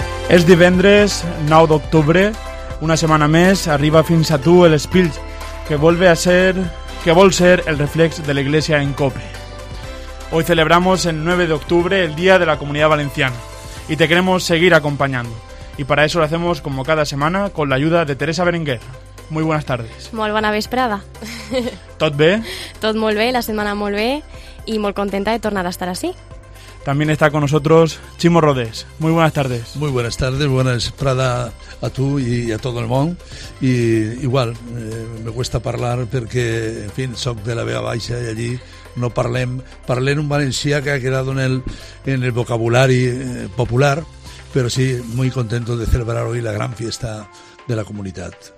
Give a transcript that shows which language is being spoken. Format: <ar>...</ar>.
<ca>És divendres, 9 d'octubre, una setmana més, arriba fins a tu El Espill,</ca> <es>que vuelve a ser,</es> <ca>que vol ser el reflex de la Iglesia en COPE.</ca> <es>Hoy celebramos el 9 de octubre el Día de la Comunidad Valenciana y te queremos seguir acompañando. Y para eso lo hacemos como cada semana con la ayuda de Teresa Berenguer. Muy buenas tardes.</es> <ca>Molt bona vesprada. ¿Tot bé? Tot molt bé, la setmana molt bé y molt contenta de tornar a estar así.</ca> <es>También está con nosotros Ximo Rodés. Muy buenas tardes. Muy buenas tardes, buena esprada a tú y a todo el mundo. Y igual, me cuesta hablar porque, en fin, soy de la Vega Baixa y allí</es> <ca>no parlem.</ca> <es>Parlé en un valencià que ha quedado en el vocabulario popular, pero sí, muy contento de celebrar hoy la gran fiesta de la comunidad.</es>